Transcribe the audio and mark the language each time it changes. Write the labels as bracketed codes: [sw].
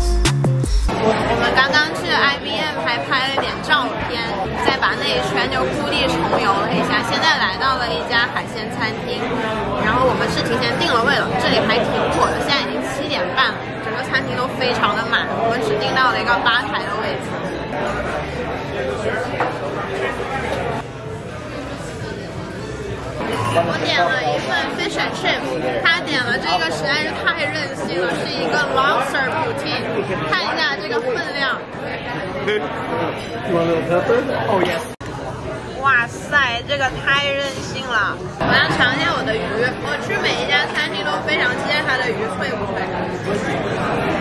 [zh] 我们刚刚去 IBM 还拍了点照片，再把那一圈就故地重游了一下，现在来到了一家海鲜餐厅，然后我们是提前定了位了，这里还挺火的，现在已经7:30了，整个餐厅都非常的满，我们只订到了一个吧台的位置。我点了一份 fish and chip， 他点了这个实在是太任性了，是一个 lobster poutine， 看一下这个分量。 [en] You want a little pepper? Oh yes. [zh] 哇塞，这个太任性了！我要尝一下我的鱼，我去每一家餐厅都非常期待它的鱼脆不脆。